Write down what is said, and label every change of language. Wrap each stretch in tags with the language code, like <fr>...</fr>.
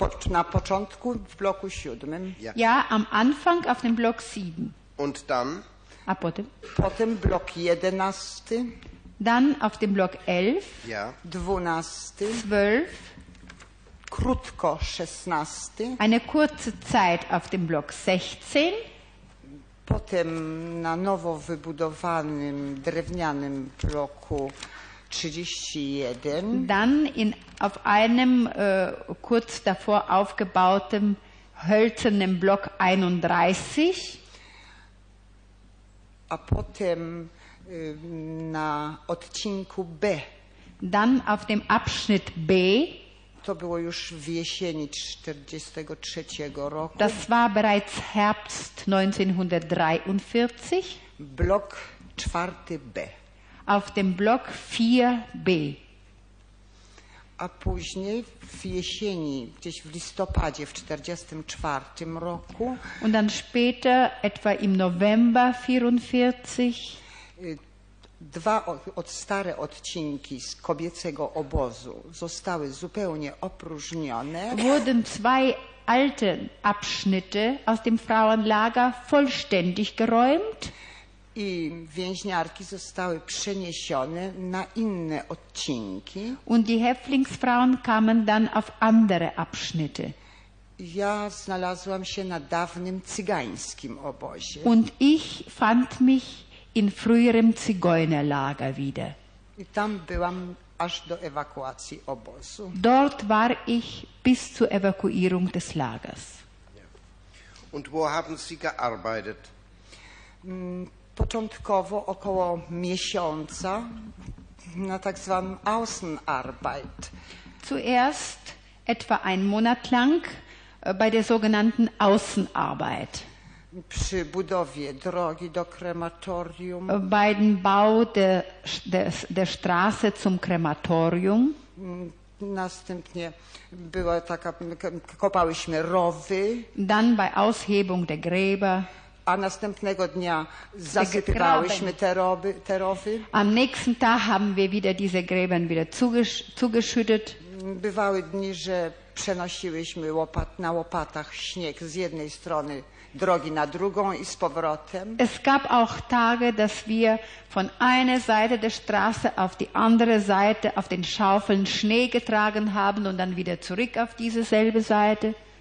<pl>Na początku w bloku siódmym.</pl> <de>Ja. Ja, am Anfang auf dem Block 7. Und dann?</de> <pl>A potem? Potem Block 11.</pl> <de>Dann auf dem Block 11. Ja.</de> <pl>12.</pl> <de>12.</de> <pl>Krótko 16.</pl> <de>Eine kurze Zeit auf dem Block 16.</de> <pl>Potem na nowo wybudowanym drewnianym bloku 31.</pl> <de>Dann in, auf einem kurz davor aufgebauten hölzernen Block 31.</de> <pl>A potem na odcinku B.</pl> <de>Dann auf dem Abschnitt B.</de> <pl>To było już w jesieni 43. roku.</pl> <de>Das war bereits Herbst 1943.</de> <pl>Block 4. B.</pl> <de>Auf dem Block 4b.</de> <pl>A później w jesieni, gdzieś w listopadzie, w 44. roku.</pl> <de>Und dann später, etwa im November 44.</de> <pl>Dwa stare odcinki z kobiecego obozu zostały zupełnie opróżnione.</pl> <de>Wurden zwei alte Abschnitte aus dem Frauenlager vollständig geräumt.</de> <pl>I więźniarki zostały przeniesione na inne odcinki.</pl> <de>Und die Häftlingsfrauen kamen dann auf andere Abschnitte.</de> <pl>Ja znalazłam się na dawnym cygańskim obozie.</pl> <de>Und ich fand mich in früherem Zigeunerlager wieder.</de> <pl>I tam byłam aż do ewakuacji obozu.</pl> <de>Dort war ich bis zur Evakuierung des Lagers. Und wo haben Sie gearbeitet?</de> <pl>Początkowo około miesiąca na tak zwanym Außenarbeit.</pl> <de>Zuerst etwa ein Monat lang bei der sogenannten Außenarbeit.</de> <pl>Przy budowie drogi do krematorium.</pl> <de>Bei dem Bau der Straße zum Krematorium.</de> <pl>Następnie była taka, kopałyśmy rowy.</pl> <de>Dann bei Aushebung der Gräber.</de> <pl>A następnego dnia zasypywałyśmy te rowy.</pl> <de>Am nächsten Tag haben wir wieder diese Gräben wieder zugeschüttet.</de> <pl>Bywały dni, że przenosiłyśmy na łopatach śnieg z jednej strony drogi na drugą i z powrotem.</pl> <de>Es gab auch Tage, dass wir von einer Seite der Straße auf die andere Seite auf den Schaufeln Schnee getragen haben und dann wieder zurück auf diese selbe Seite.</de>